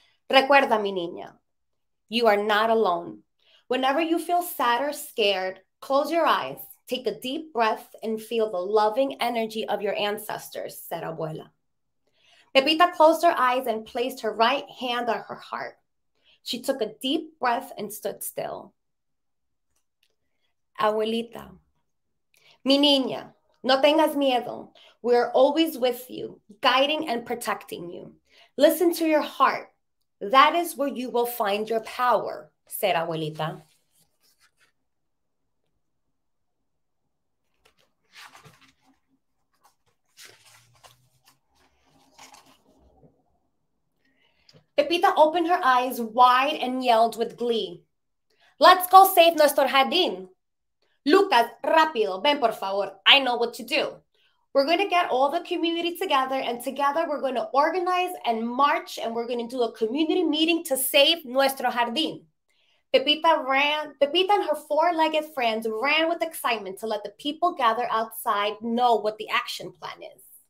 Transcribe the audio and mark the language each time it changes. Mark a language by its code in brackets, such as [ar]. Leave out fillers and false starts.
[es] Recuerda, mi niña, [en] you are not alone. Whenever you feel sad or scared, close your eyes. Take a deep breath and feel the loving energy of your ancestors, said Abuela. Pepita closed her eyes and placed her right hand on her heart. She took a deep breath and stood still. [es] Abuelita, mi niña, no tengas miedo. [en] We are always with you, guiding and protecting you. Listen to your heart. That is where you will find your power, said Abuelita. Pepita opened her eyes wide and yelled with glee. Let's go save [es] nuestro jardín. [en] Lucas, [es] rápido, ven por favor. [en] I know what to do. We're going to get all the community together and together we're going to organize and march and we're going to do a community meeting to save [es] nuestro jardín. [en] Pepita and her four-legged friends ran with excitement to let the people gather outside know what the action plan is.